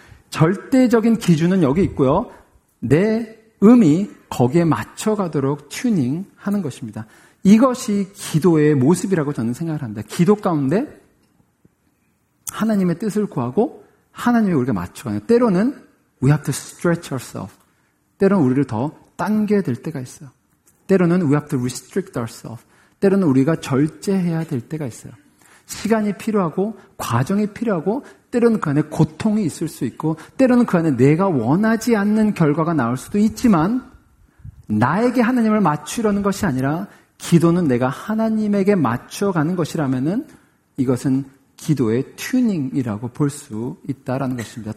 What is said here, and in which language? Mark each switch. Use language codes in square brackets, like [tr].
[ko] 절대적인 기준은 여기 있고요. 내 음이 거기에 맞춰가도록 튜닝하는 것입니다. 이것이 기도의 모습이라고 저는 생각을 합니다. 기도 가운데 하나님의 뜻을 구하고 하나님의 우리가 맞춰가요. 때로는 [en] we have to stretch ourselves. [ko] 때로는 우리를 더 당겨야 될 때가 있어요. 때로는 [en] we have to restrict ourselves. [ko] 때로는 우리가 절제해야 될 때가 있어요. 시간이 필요하고 과정이 필요하고 때로는 그 안에 고통이 있을 수 있고 때로는 그 안에 내가 원하지 않는 결과가 나올 수도 있지만 나에게 하나님을 맞추려는 것이 아니라 기도는 내가 하나님에게 맞춰가는 것이라면은 이것은 기도의 튜닝이라고 볼 수 있다라는 것입니다.